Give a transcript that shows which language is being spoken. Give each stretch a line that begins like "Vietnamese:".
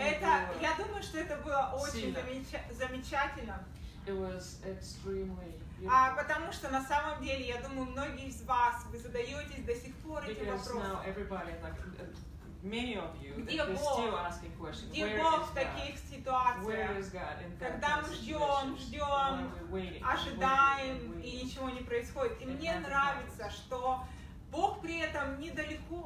Russian: Это, я думаю, что это было очень замечательно.
English: It was extremely.
Russian: А потому что на самом деле, я думаю, многие из вас вы задаетесь до сих пор эти вопросы.
English: Because now everybody, like many of you, they're still asking questions.
Russian: Где Бог в таких ситуациях?
English: Where is God in that?
Russian: Когда мы ждем, ожидаем, и ничего не происходит. И мне нравится, что Бог при этом недалеко.